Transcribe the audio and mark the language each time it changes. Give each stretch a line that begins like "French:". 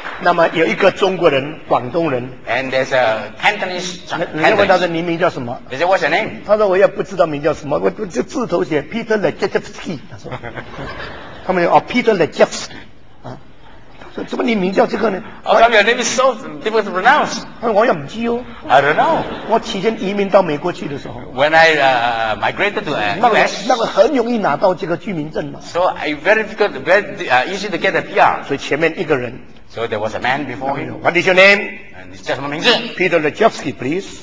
Chinese: 那么有一个中国人，广东人
English: ，and there's a Cantonese。
Chinese: 人家问他说：“你名叫什么
English: ？”He said, "What's your name?"
Chinese: 他说：“我也不知道名叫什么，我就字头写 Peter Lejewski。” 他说：“他们说哦 ，Peter Lejewski。” 啊，说怎么你名叫这个呢
English: ？Oh, your name is so difficult to pronounce。
Chinese: 他说：“我也不知哦。
English: ”I don't know。
Chinese: 我起先移民到美国去的时候
English: ，when I migrated to US，
Chinese: 那个很容易拿到这个居民证嘛。
English: So I very difficult, very easy to get a PR。
Chinese: 所以前面一个人。
English: So there was a man before him. What is your name?
Chinese: 你叫什么名字
English: ？Peter Lejewski, please.